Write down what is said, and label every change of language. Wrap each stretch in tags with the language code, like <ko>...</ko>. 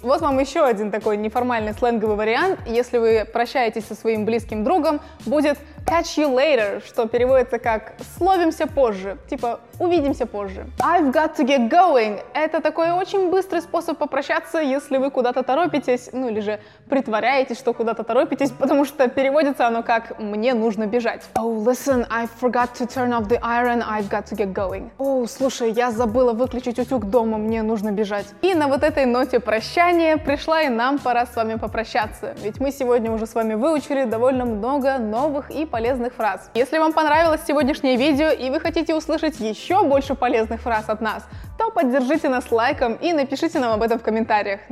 <ru>Вот вам еще один такой неформальный сленговый вариант. Если вы прощаетесь со своим близким другом, будет</ru> <en>catch you later,</en> <ru>что переводится как «словимся позже», типа «увидимся позже».</ru> <en>I've got to get going</en> <ru>— это такой очень быстрый способ попрощаться, если вы куда-то торопитесь, ну или же притворяетесь, что куда-то торопитесь, потому что переводится оно как «мне нужно бежать».</ru> <en>Oh, listen, I forgot to turn off the iron, I've got to get going.</en> <ru>Oh, слушай, я забыла выключить утюг дома, мне нужно бежать. И на вот этой ноте прощания пришла и нам пора с вами попрощаться, ведь мы сегодня уже с вами выучили довольно много новых и полезных фраз. Если вам понравилось сегодняшнее видео и вы хотите услышать еще больше полезных фраз от нас, то поддержите нас лайком и напишите нам об этом в комментариях.</ru>